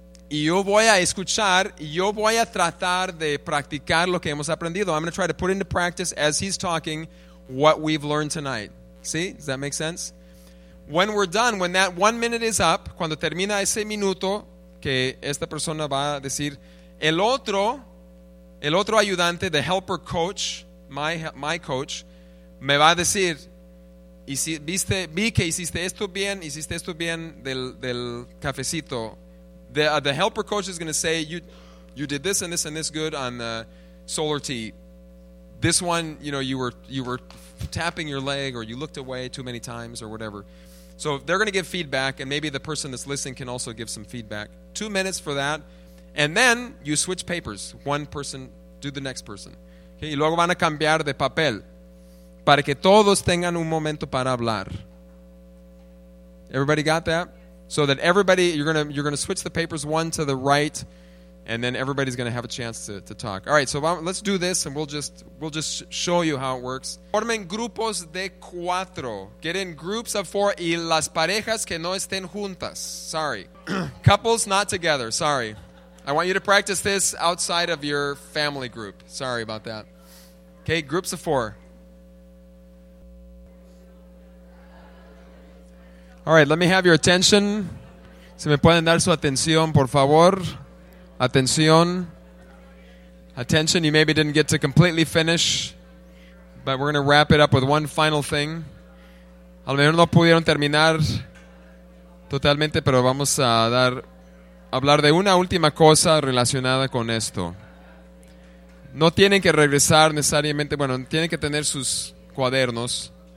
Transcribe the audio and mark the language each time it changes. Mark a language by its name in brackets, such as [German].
[Spanish] Y yo voy a escuchar y yo voy a tratar de practicar lo que hemos aprendido. [English] I'm going to try to put into practice as he's talking what we've learned tonight. See? Does that make sense? When we're done, when that 1 minute is up, [Spanish] cuando termina ese minuto que esta persona va a decir, el otro ayudante, [English] the helper coach, my coach, [Spanish] me va a decir, vi que hiciste esto bien del cafecito. [English] The helper coach is going to say, you did this and this and this good on the solar tee. This one, you know, you were tapping your leg or you looked away too many times or whatever. So they're going to give feedback, and maybe the person that's listening can also give some feedback. 2 minutes for that, and then you switch papers. One person, do the next person. [Spanish] Okay? Y luego van a cambiar de papel para que todos tengan un momento para hablar. [English] Everybody got that? So that everybody, you're going to switch the papers, one to the right, and then everybody's going to have a chance to talk. All right, so let's do this, and we'll just show you how it works. [Spanish] Formen grupos de cuatro. [English] Get in groups of four [Spanish] y las parejas que no estén juntas. [English] Sorry. Couples not together. Sorry. I want you to practice this outside of your family group. Sorry about that. Okay, groups of four. All right, let me have your attention. [Spanish] Si me pueden dar su atención, por favor. Atención. [English] Attention, you maybe didn't get to completely finish, but we're going to wrap it up with one final thing. [Spanish] A lo mejor no pudieron terminar totalmente, pero vamos a hablar de una última cosa relacionada con esto. No tienen que regresar necesariamente, bueno, tienen que tener sus cuadernos.